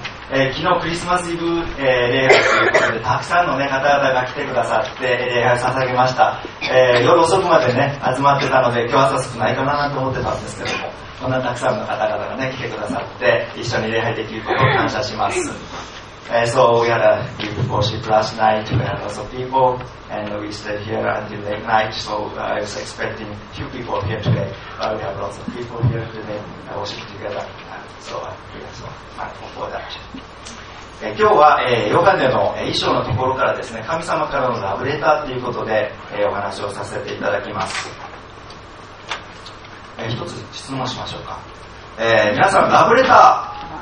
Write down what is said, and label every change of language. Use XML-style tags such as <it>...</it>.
<ja>昨日クリスマスイブ、礼拝ということでたくさんの、ね、方々が来てくださって礼拝を捧げました。夜遅くまで、ね、集まってたので今日朝少ないかなと思ってたんですけども、こんなたくさんの方々が、ね、来てくださって一緒に礼拝できることを感謝します。</ja> <en>So we had a beautiful ship last night. We had lots of people, and we stayed here until late night. So I was expecting few people here today. But we have lots of people here today. We worship together. So we are so thankful for that.</en> <ja>今日は、ヨハネの衣装のところからですね、神様からのラブレターということで、お話をさせていただきます。一つ質問しましょうか。皆さんラブレター。</ja>